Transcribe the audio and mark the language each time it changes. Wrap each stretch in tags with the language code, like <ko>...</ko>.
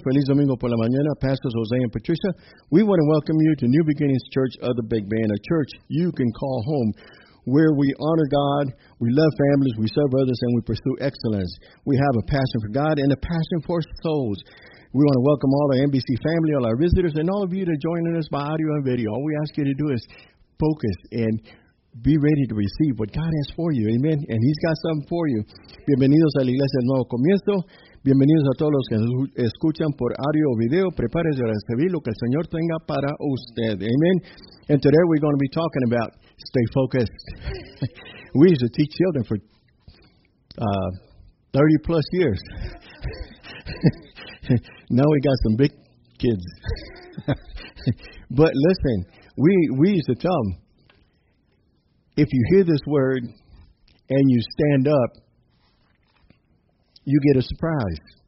<es>Feliz Domingo por la mañana,</es> <en>Pastors</en> <es>Jose and Patricia.</es> <en>We want to welcome you to New Beginnings Church of the Big Bend, a church you can call home, where we honor God, we love families, we serve others, and we pursue excellence. We have a passion for God and a passion for souls. We want to welcome all our NBC family, all our visitors, and all of you to join us by audio and video. All we ask you to do is focus and be ready to receive what God has for you. Amen. And He's got something for you.</en> <es>Bienvenidos a la Iglesia del Nuevo Comienzo. Bienvenidos a todos los que escuchan por audio o video. Prepárense a recibir lo que el Señor tenga para usted. Amen.</es> <en>And today we're going to be talking about stay focused. We used to teach children for 30 plus years. Now we got some big kids. But listen, we used to tell them, if you hear this word and you stand up, you get a surprise.</en>